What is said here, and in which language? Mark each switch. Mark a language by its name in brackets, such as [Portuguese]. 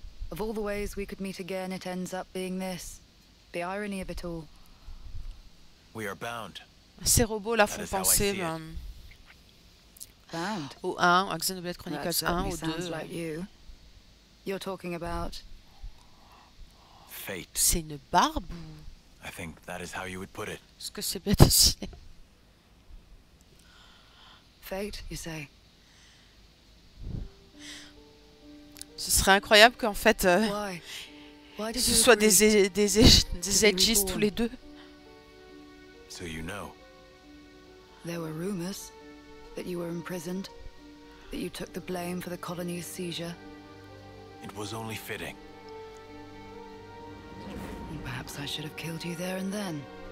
[English] Of all the ways we could meet again, it ends up being this. The irony of it all. We are bound. [French] Ces robots là font penser au 1, à Xenoblade Chronicles 1 ou 2. [English] You're talking about fate. [French] C'est une barbe. [English] I think that is how you would put it. [French] Est-ce que c'est bien dessiné? [English] Fate, you say. [French] Ce serait incroyable qu'en fait ce soit des edgies tous les deux. [English] So you know. There were rumors that you were imprisoned, that you took the blame for the colony's seizure. It was only fitting Perhaps I should have killed you there and then.